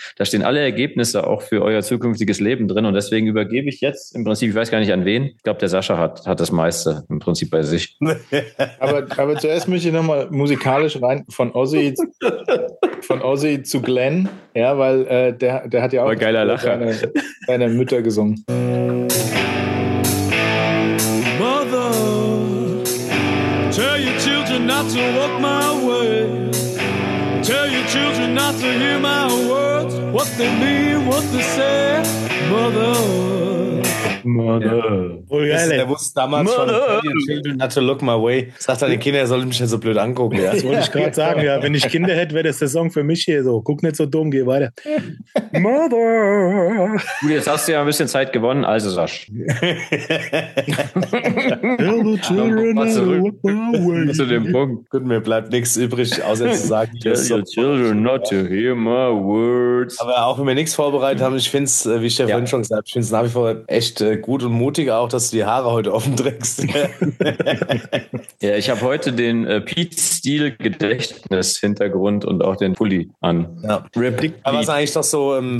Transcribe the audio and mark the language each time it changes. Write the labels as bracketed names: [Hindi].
[German] Da stehen alle Ergebnisse auch für euer zukünftiges Leben drin. Und deswegen übergebe ich jetzt im Prinzip, ich weiß gar nicht an wen, ich glaube, der Sascha hat das meiste im Prinzip bei sich. Aber zuerst möchte ich nochmal musikalisch rein von Ozzy zu Glenn, ja, weil der hat ja auch geiler Lacher. Seine Mütter gesungen. [English] Mother, tell your children not to walk my way. Tell your children not to hear my words, what they mean, what they say. Mother. Mother. [German] Ja. Oh, der wusste damals Mother. [English] Schon, tell your children not to look my way. [German] Sagt er den Kindern, er soll mich nicht so blöd angucken. Ja. Das wollte ich gerade sagen, ja. Wenn ich Kinder hätte, wäre das der Song für mich hier so. Guck nicht so dumm, geh weiter. [English] Mother. [German] Gut, jetzt hast du ja ein bisschen Zeit gewonnen, also Sasch. [English] Tell the children not to look my way. [German] Zu dem Punkt. Gut, mir bleibt nichts übrig, außer zu sagen, [English] tell your children not to hear my words. [German] Aber auch wenn wir nichts vorbereitet haben, ich finde es, wie ich ja vorhin schon gesagt habe, ich finde es nach wie vor echt gut und mutig auch, dass du die Haare heute offen trägst. Ja, ich habe heute den Pete Steele Gedächtnis Hintergrund und auch den Pulli an. Ja. Rip Dick. Aber was ist eigentlich doch so?